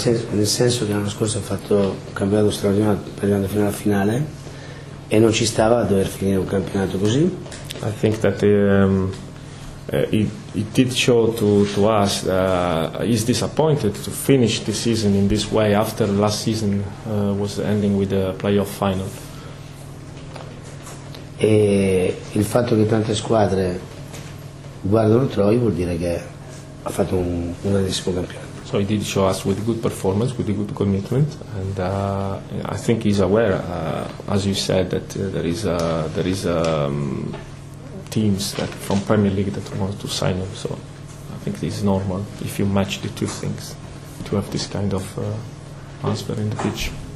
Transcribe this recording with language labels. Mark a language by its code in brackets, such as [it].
[it] Nel senso che l'anno scorso ha fatto un campionato straordinario arrivando fino alla finale e non ci stava a dover finire un campionato così. [en] I think that it did show to us he's disappointed to finish the season in this way after last season was ending with the playoff final. [it] E il fatto che tante squadre guardano Troy vuol dire che ha fatto un grandissimo campionato. [en] So he did show us with good performance, with a good commitment, and I think he's aware, as you said, that there is teams that from Premier League that want to sign him. So I think this is normal if you match the two things to have this kind of transfer in the pitch.